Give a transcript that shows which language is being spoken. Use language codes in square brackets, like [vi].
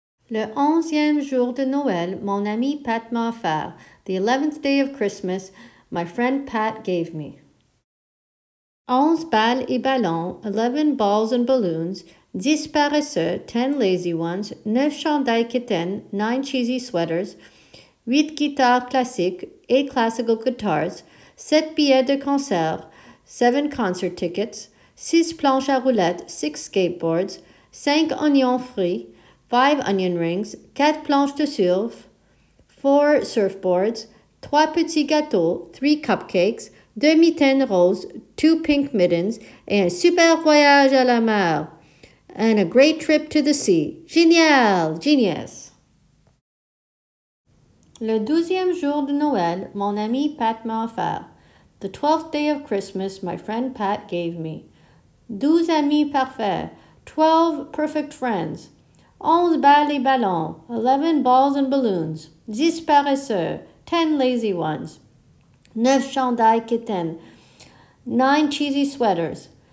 [fr] Le 11e jour de Noël, mon ami Pat m'a offert. [en] The 11th day of Christmas, my friend Pat gave me. [fr] 11 balles et ballons, [en] 11 balls and balloons, [fr] 10 paresseux, [en] 10 lazy ones, [fr] 9 chandails kittens, [en] 9 cheesy sweaters, [fr] 8 guitares classiques, [en] 8 classical guitars, [fr] 7 billets de concert, [en] 7 concert tickets, [fr] 6 planches à roulettes, [en] 6 skateboards, [fr] 5 onion frits, [en] 5 onion rings, [fr] 4 planches de surf, [en] 4 surfboards, [fr] 3 petits gâteaux, [en] 3 cupcakes, [fr] 2 mitaines roses, [en] 2 pink mittens, [fr] et un super voyage à la mer. [en] And a great trip to the sea. [fr] Génial! [en] Genius! [fr] Le 12e jour de Noël, mon ami Pat m'a offert. [en] The 12th day of Christmas, my friend Pat gave me. [fr] 12 amis parfaits, [en] 12 perfect friends. [fr] 11 balles et ballons, [en] 11 balls and balloons. [fr] 10 paresseux, [en] 10 lazy ones. [fr] 9 chandails kittens, [en] 9 cheesy sweaters.